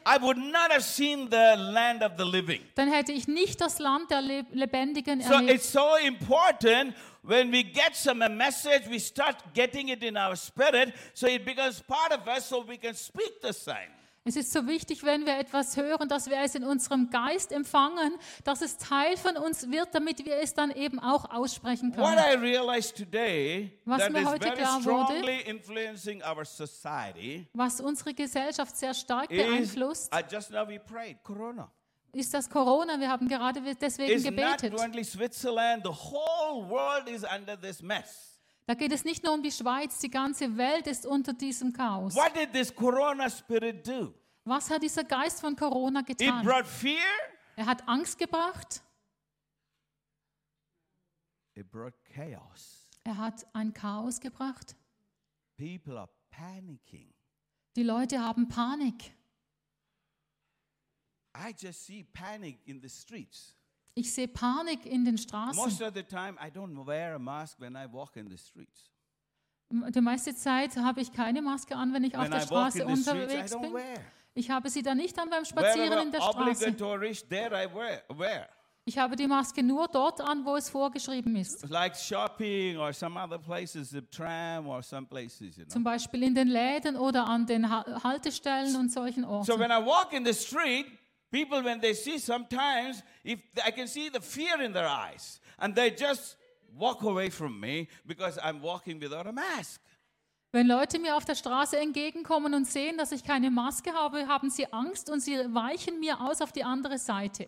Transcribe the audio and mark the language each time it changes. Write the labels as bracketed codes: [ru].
[en] I would not have seen the land of the living. [de] Dann hätte ich nicht das Land der Lebendigen [en] so [de] erlebt. [en] So it's so important when we get some a message, we start getting it in our spirit, so it becomes part of us, so we can speak the same. [de] Es ist so wichtig, wenn wir etwas hören, dass wir es in unserem Geist empfangen, dass es Teil von uns wird, damit wir es dann eben auch aussprechen können. [en] What I realized today, [de] was [en] that [de] mir heute klar wurde, [en] influencing our society, [de] was unsere Gesellschaft sehr stark beeinflusst, [en] just now we prayed, Corona. [de] Ist das Corona. Wir haben gerade deswegen gebetet. [en] Not only Switzerland, the whole world is under this mess. [de] Da geht es nicht nur um die Schweiz, die ganze Welt ist unter diesem Chaos. [en] What did this Corona spirit do? [de] Was hat dieser Geist von Corona getan? [en] It brought fear. [de] Er hat Angst gebracht. [en] It brought chaos. [de] Er hat ein Chaos gebracht. [en] People are panicking. [de] Die Leute haben Panik. [en] I just see panic in the streets. [de] Ich sehe Panik in den Straßen. [en] Most of the time I don't wear a mask when I walk in the streets. [de] Die meiste Zeit habe ich keine Maske an, wenn ich [en] when [de] auf der Straße unterwegs [en] streets, [de] bin. Ich habe sie dann nicht an beim Spazieren in der Straße. [en] There I wear. [de] Ich habe die Maske nur dort an, wo es vorgeschrieben ist. [en] Like shopping or some other places, the tram or some places, you know. [de] Zum Beispiel in den Läden oder an den Haltestellen und solchen Orten. [en] So when I walk in the street, people, when they see sometimes, if I can see the fear in their eyes, and they just walk away from me because I'm walking without a mask. [de] Wenn Leute mir auf der Straße entgegenkommen und sehen, dass ich keine Maske habe, haben sie Angst und sie weichen mir aus auf die andere Seite.